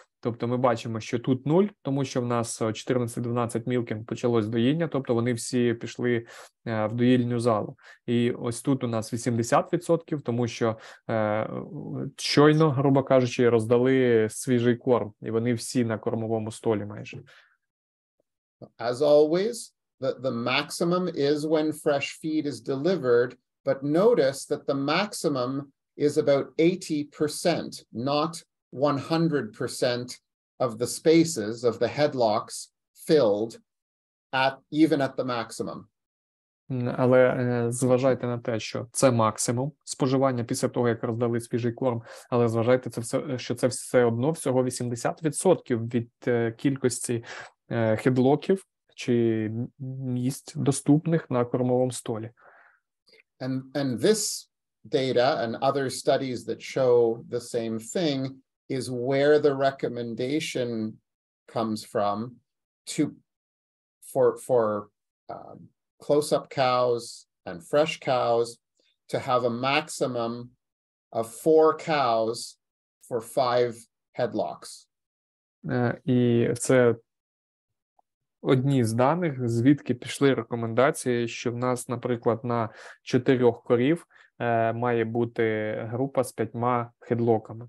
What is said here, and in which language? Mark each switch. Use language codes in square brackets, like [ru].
[uk] Тобто ми бачимо, що тут нуль, тому що в нас 14-12 мілкин почалось доїння, тобто вони всі пішли в доїльню залу. І ось тут у нас 80%, тому що щойно, грубо кажучи, роздали свіжий корм, і вони всі на кормовому столі майже. [en] As always, the maximum is when fresh feed is delivered, but notice that the maximum is about 80%, not 100% of the spaces of the headlocks filled at even at the maximum. [uk] Але зважайте на те, що це максимум споживання після того, як роздали свіжий корм, але зважайте це все, що це все одно всього 80% від кількості хедлоків чи місць доступних на кормовому столі. [en] And this data and other studies that show the same thing is where the recommendation comes from to for close-up cows and fresh cows to have a maximum of 4 cows for 5 headlocks. [uk] І це одні з даних, звідки пішли рекомендації, що в нас, наприклад, на 4 корів має бути група з 5 хедлоками.